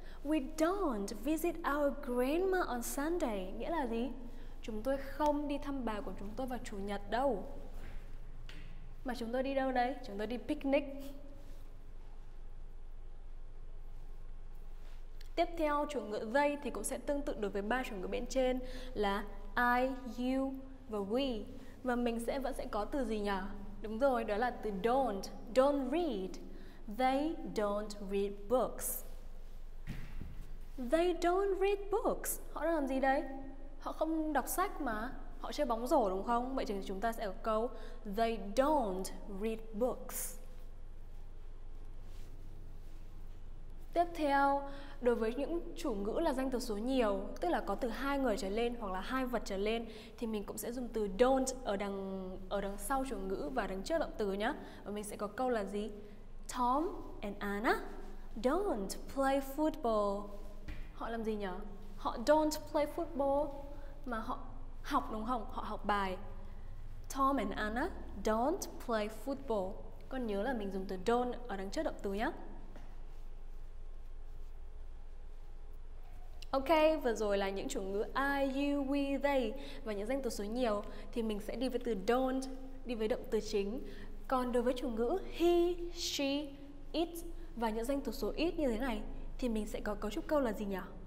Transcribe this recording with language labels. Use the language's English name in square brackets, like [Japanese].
[English] We don't visit our grandma on Sunday. [Vietnamese] Nghĩa là gì? Chúng tôi không đi thăm bà của chúng tôi vào chủ nhật đâu. Mà chúng tôi đi đâu đây? Chúng tôi đi picnic. Tiếp theo, chủ ngữ they thì cũng sẽ tương tự đối với ba chủ ngữ bên trên là I, you và we. Và mình sẽ vẫn sẽ có từ gì nhỉ? Đúng rồi, đó là từ don't. [English] Don't read. They don't read books. They don't read books. [Vietnamese] Họ đang làm gì đây? Họ không đọc sách mà. Họ chơi bóng rổ đúng không? Vậy thì chúng ta sẽ có câu [English] They don't read books. [Vietnamese] Tiếp theo, đối với những chủ ngữ là danh từ số nhiều, tức là có từ hai người trở lên hoặc là hai vật trở lên, thì mình cũng sẽ dùng từ don't ở đằng sau chủ ngữ và đằng trước động từ nhé. Và mình sẽ có câu là gì? [English] Tom and Anna don't play football. [Vietnamese] Họ làm gì nhỉ? Họ [English] don't play football [Vietnamese] mà họ học đúng không? Họ học bài. [English] Tom and Anna don't play football. [Vietnamese] Con nhớ là mình dùng từ don't ở đằng trước động từ nhé. Ok, vừa rồi là những chủ ngữ I, you, we, they và những danh từ số nhiều thì mình sẽ đi với từ don't, đi với động từ chính. Còn đối với chủ ngữ he, she, it và những danh từ số ít như thế này thì mình sẽ có cấu trúc câu là gì nhỉ?